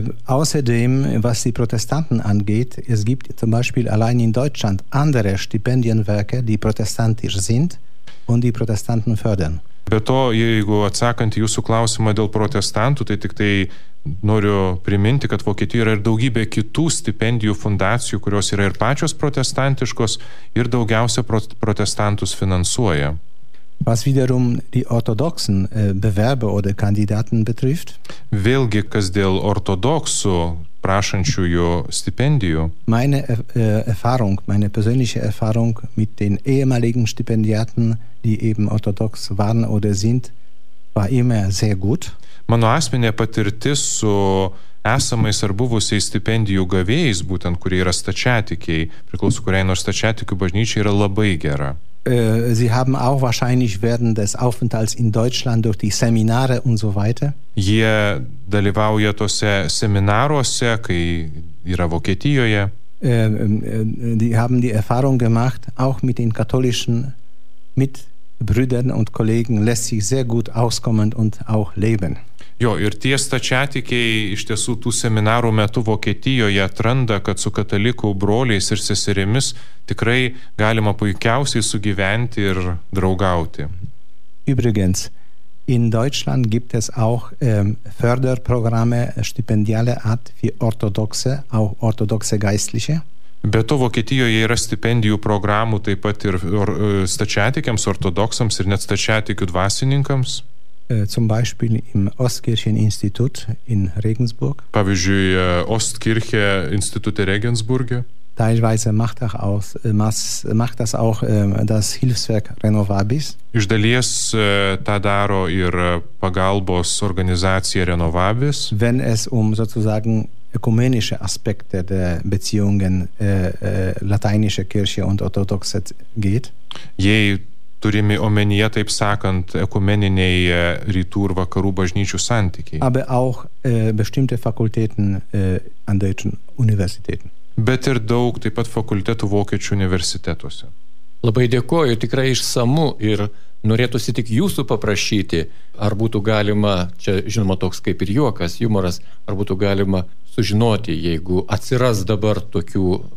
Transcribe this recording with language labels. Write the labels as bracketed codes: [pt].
[de] Außerdem, was die Protestanten angeht, es gibt zum Beispiel allein in Deutschland andere Stipendienwerke, die protestantisch sind und die Protestanten fördern. [lt] Be to, jeigu atsakant jūsų klausimą dėl protestantų, tai tik tai noriu priminti, kad Vokietijoje yra ir daugybė kitų stipendijų fundacijų, kurios yra ir pačios protestantiškos ir daugiausia protestantus finansuoja. [de] Was wiederum die orthodoxen Bewerber oder Kandidaten betrifft? [lt] Vėlgi, kas dėl ortodoksų prašančiųjų stipendijų? [de] Meine Erfahrung, meine persönliche Erfahrung mit den ehemaligen Stipendiaten, die eben orthodox waren oder sind, war immer sehr gut. [lt] Mano asmenė patirtis su esamais ar buvusiais stipendijų gavėjais, būtent kurie yra stačiatikiai, priklauso kuriai nors stačiatikių bažnyčiai, yra labai gera. [de] Sie haben auch wahrscheinlich während des Aufenthalts in Deutschland durch die Seminare und so weiter. [lt] Jie dalyvauja tose seminaruose, kai yra Vokietijoje. [de] Die haben die Erfahrung gemacht, auch mit den katholischen mit Brüdern und Kollegen lässt sich sehr gut auskommen und auch leben. [lt] Jo, ir tie stačiatikiai iš tiesų tų seminarų metu Vokietijoje atranda, kad su katalikų broliais ir seserimis tikrai galima puikiausiai sugyventi ir draugauti. [de] Übrigens, in Deutschland gibt es auch Förderprogramme, stipendiale Art für orthodoxe, auch orthodoxe geistliche. [lt] Be to, Vokietijoje yra stipendijų programų taip pat ir stačiatikiams, ortodoksams ir net stačiatikių dvasininkams. [de] Zum Beispiel im Ostkircheninstitut in Regensburg. [lt] Pavyzdžiui, Ostkirche Institute Regensburge. [de] Teilweise macht das auch das Hilfswerk Renovabis. [lt] Iš dalies tą daro ir pagalbos organizacija Renovabis. [de] Wenn es sozusagen ökumenische Aspekte der Beziehungen lateinische Kirche und orthodoxe geht. [lt] Jei turimi omenyje, taip sakant, ekumeniniai rytų ir vakarų bažnyčių santykiai. [de] Aber auch bestimmte Fakultäten an deutschen Universitäten. [lt] Bet ir daug taip pat fakultetų vokiečių universitetuose. Labai dėkoju, tikrai išsamu ir norėtųsi tik jūsų paprašyti, ar būtų galima, čia žinoma toks kaip ir juokas, jumoras, ar būtų galima sužinoti, jeigu atsiras dabar tokių